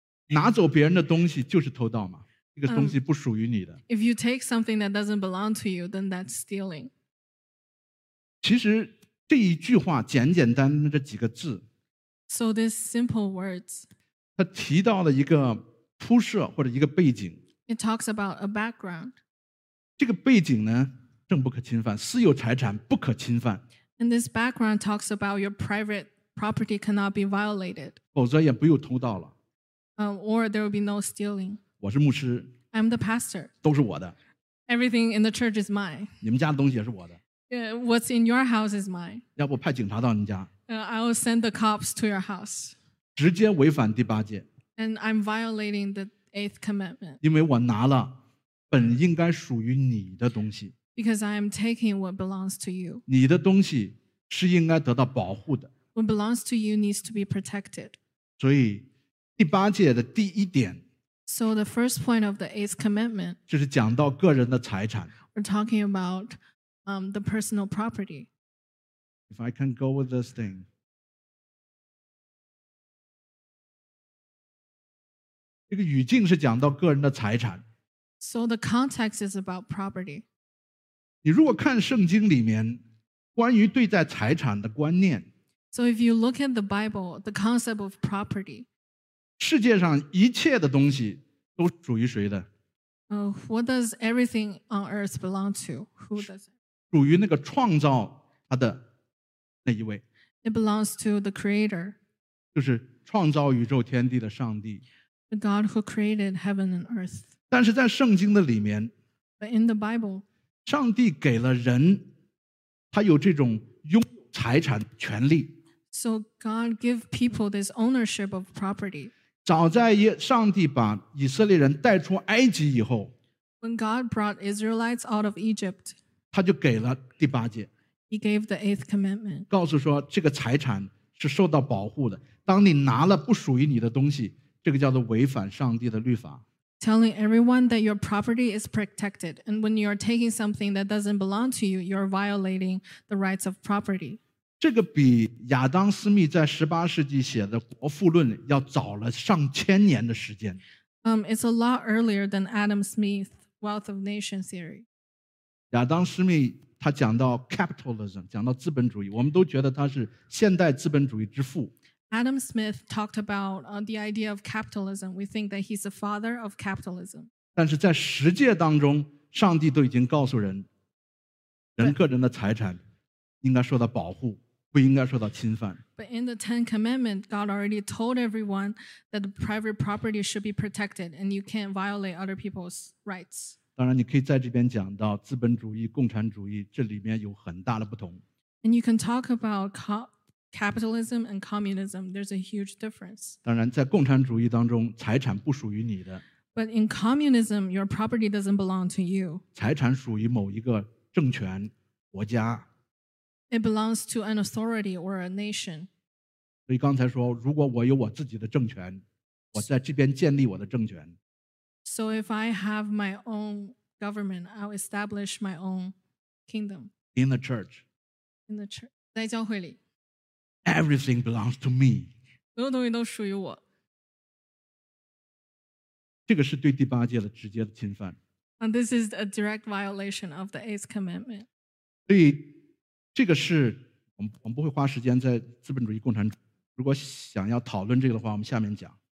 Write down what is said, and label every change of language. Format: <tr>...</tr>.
<zh>拿走别人的东西就是偷盗嘛，这个东西不属于你的。</zh> <en>If you take something that doesn't belong to you, then that's stealing.</en> <zh>其实这一句话简简单单这几个字</zh> <en>So these simple words.</en> <zh>它提到了一个铺设或者一个背景。</zh> <en>It talks about a background.</en> <zh>这个背景呢，正不可侵犯，私有财产不可侵犯。</zh> <en>And this background talks about your private property cannot be violated.</en> <zh>否则也不用偷盗了。</zh> <en>Or there will be no stealing.</en> <zh>我是牧师。</zh> <en>I'm the pastor.</en> <zh>都是我的。</zh> <en>Everything in the church is mine.</en> <zh>你们家的东西也是我的。</zh> <en>What's in your house is mine.</en> <zh>要不派警察到你家。</zh> <en>I will send the cops to your house.</en> <zh>直接违反第八诫。</zh> <en>And I'm violating the eighth commandment.</en> <zh>因为我拿了本应该属于你的东西。</zh> <en>Because I am taking what belongs to you.</en> <zh>你的东西是应该得到保护的。</zh> <en>What belongs to you needs to be protected.</en> <zh>所以第八诫的第一点。</zh> <en>So the first point of the eighth commandment.</en> <zh>就是讲到个人的财产。</zh> <en>We're talking about the personal property. If I can go with this thing. So the context is about property.</en> <zh>你如果看圣经里面关于对待财产的观念,</zh> <en>So if you look at the Bible, the concept of property.</en> <zh>世界上一切的东西都属于谁的?</zh> <en>What does everything on earth belong to? Who does it?</en> <zh>属于那个创造他的那一位。</zh> <en>It belongs to the creator.</en> <zh>就是创造宇宙天地的上帝。</zh> <en>The God who created heaven and earth.</en> <zh>但是在圣经的里面。</zh> <en>But in the Bible.</en> <zh>上帝给了人他有这种拥有财产权利。</zh> <en>So God give people this ownership of property.</en> <zh>早在上帝把以色列人带出埃及以后。</zh> <en>When God brought Israelites out of Egypt.</en> <zh>他就给了第八诫。</zh> <en>He gave the eighth commandment.</en> <zh>告诉说这个财产是受到保护的。当你拿了不属于你的东西，这个叫做违反上帝的律法。</zh> <en>Telling everyone that your property is protected, and when you are taking something that doesn't belong to you, you're violating the rights of property.</en> <zh>这个比亚当·斯密在十八世纪写的《国富论》要早了上千年的时间。</zh> <en>It's a lot earlier than Adam Smith's Wealth of Nations theory.</en> <zh>亚当·斯密他讲到 capitalism, 讲到资本主义，我们都觉得他是现代资本主义之父。</zh> <en>Adam Smith talked about the idea of capitalism. We think that he's the father of capitalism.</en> <zh>但是在十诫当中，上帝都已经告诉人，人个人的财产应该受到保护，不应该受到侵犯。</zh> <en>But in the Ten Commandments, God already told everyone that the private property should be protected, and you can't violate other people's rights.</en> <zh>当然你可以在这边讲到资本主义、共产主义，这里面有很大的不同。</zh> <en>And you can talk about capitalism and communism. There's a huge difference.</en> <zh>当然在共产主义当中，财产不属于你的。</zh> <en>But in communism, your property doesn't belong to you.</en> <zh>财产属于某一个政权、国家。</zh> <en>It belongs to an authority or a nation.</en> <zh>所以刚才说，如果我有我自己的政权，我在这边建立我的政权。</zh> <en>So if I have my own government, I'll establish my own kingdom. In the church. In the church.</en> <zh>在教会里。</zh> <en>Everything belongs to me.</en> <zh>所有东西都属于我。这个是对第八诫的直接的侵犯。</zh> <en>And this is a direct violation of the eighth commandment.</en> <zh>所以这个是我们不会花时间在资本主义共产主义。如果想要讨论这个的话，我们下面讲。</zh>